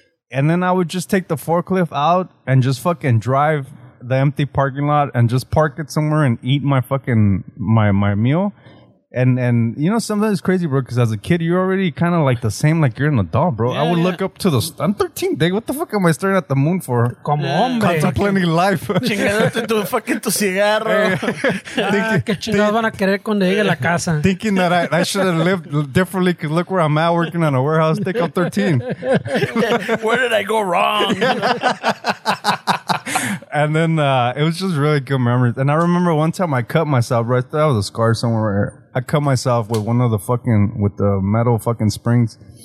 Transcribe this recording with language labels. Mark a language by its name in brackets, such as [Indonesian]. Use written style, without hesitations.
[English] And then I would just take the forklift out and just fucking drive the empty parking lot and just park it somewhere and eat my fucking my meal. And you know, sometimes it's crazy, bro, because as a kid, you're already kind of like the same, like you're an adult, bro. Yeah, I would look up to the... I'm 13, dude. What the fuck am I staring at the moon for? Come on, man. Contemplating life. [Spanish] Chingadote tu fucking tu cigarro. Que chingados van a querer cuando llegue la casa. [English] Thinking that I should have lived differently, because look where I'm at working on a warehouse. Think I'm 13. Where did I go wrong? And then it was just really good memories. And I remember one time I cut myself, right? That was a scar somewhere right here. I cut myself with one of the fucking, with the metal fucking springs.